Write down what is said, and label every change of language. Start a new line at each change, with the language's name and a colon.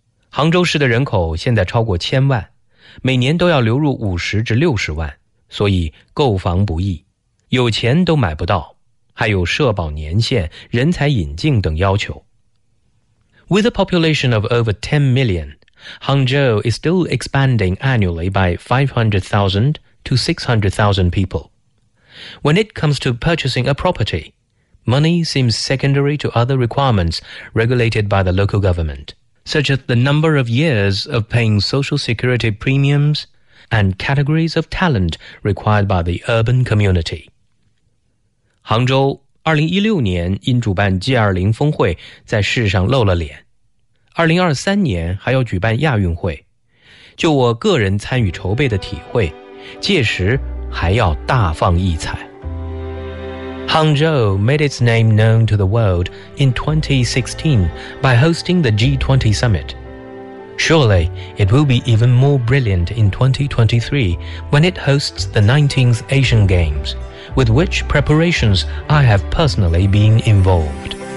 Chinese: 杭州市的人口现在超过千万，每年都要流入50至60万，所以购房不易，有钱都买不到，还有社保年限、人才引进等要求。
English: With a population of over 10 million, Hangzhou is still expanding annually by 500,000 to 600,000 people. When it comes to purchasing a property, money seems secondary to other requirements regulated by the local government, such as the number of years of paying social security premiums and categories of talent required by the urban community.
Chinese: 杭州2016年因主办 G20 峰会在世上露了脸。 2023年还要举办亚运会。就我个人参与筹备的体会届时还要大放异彩。
English: Hangzhou made its name known to the world in 2016 by hosting the G20 summit. Surely, it will be even more brilliant in 2023 when it hosts the 19th Asian Games. With which preparations I have personally been involved.